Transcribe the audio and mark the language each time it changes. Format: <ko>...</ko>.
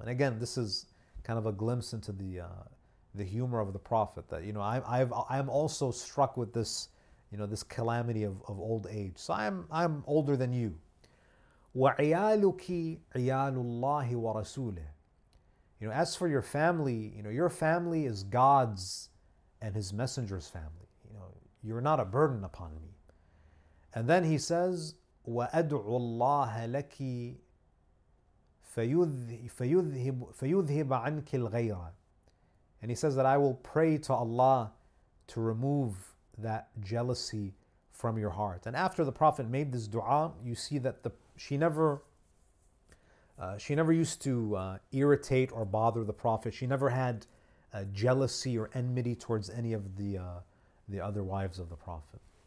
<en>And again, this is kind of a glimpse into the humor of the Prophet, that, you know, I'm also struck with this, you know, this calamity of old age. So I'm older than you. وعيالك عيال الله ورسوله. You know, as for your family, you know, your family is God's and His Messenger's family. You know, you're not a burden upon me.</en> <ar>And then he says, وَأَدْعُ اللَّهَ لَكِ فَيُذْهِبَ عَنْكِ الْغَيْرَ.</ar> <en>And he says that I will pray to Allah to remove that jealousy from your heart. And after the Prophet made this dua, you see that she never used to irritate or bother the Prophet. She never had jealousy or enmity towards any of the other wives of the Prophet.</en>